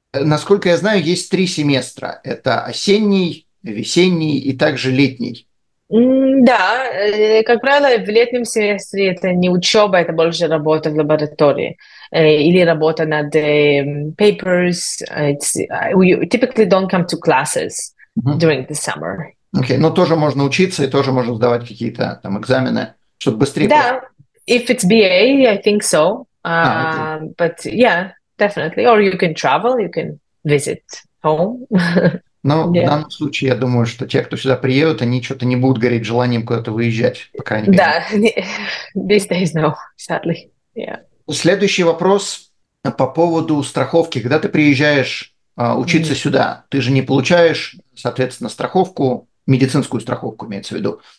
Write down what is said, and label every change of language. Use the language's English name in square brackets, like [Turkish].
[Russian] Насколько я знаю, есть три семестра. Это осенний, весенний и также летний. Да, как правило, в летнем семестре это не учеба, это больше работа в лаборатории или работа над papers. [English] You typically don't come to classes during the summer. [Russian] Okay, но тоже можно учиться и тоже можно сдавать какие-то там экзамены, чтобы быстрее. [English] Да, if it's BA, I think so. Okay. But yeah, definitely. Or you can travel, you can visit home. Но yeah. [Russian] В данном случае, я думаю, что те, кто сюда приедут, они что-то не будут гореть желанием куда-то выезжать, по крайней мере. [English] Да, these days no, sadly, yeah. [Russian] Следующий вопрос по поводу страховки. Когда ты приезжаешь учиться mm-hmm. сюда, ты же не получаешь, соответственно, страховку, медицинскую страховку имеется в виду.